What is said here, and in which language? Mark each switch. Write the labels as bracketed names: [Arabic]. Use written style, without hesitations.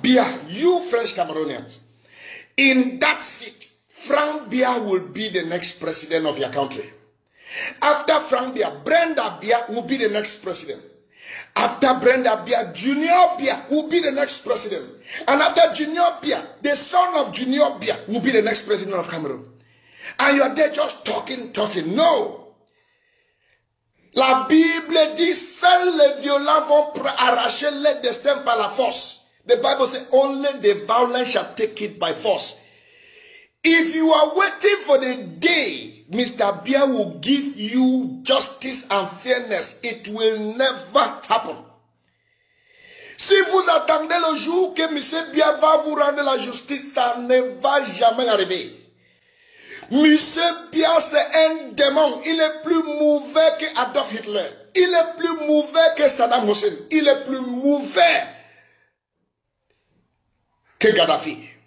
[English] Biya, you French Cameroonians, in that seat, Franck Biya will be the next president of your country. After Franck Biya, Brenda Biya will be the next president. After Brenda Biya, Junior Biya will be the next president. And after Junior Biya, the son of Junior Biya will be the next president of Cameroon. And you are there just talking. No. [French] La Bible dit, seuls les violents vont arracher le destin par la force. [English] The Bible says, only the violent shall take it by force. If you are waiting for the day Mr. Biya will give you justice and fairness, it will never happen. [French] Si vous attendez le jour que M. Biya va vous rendre la justice, ça ne va jamais arriver. M. Biya, c'est un démon. Il est plus mauvais que Adolf Hitler. Il est plus mauvais que Saddam Hussein. Il est plus mauvais que Gaddafi.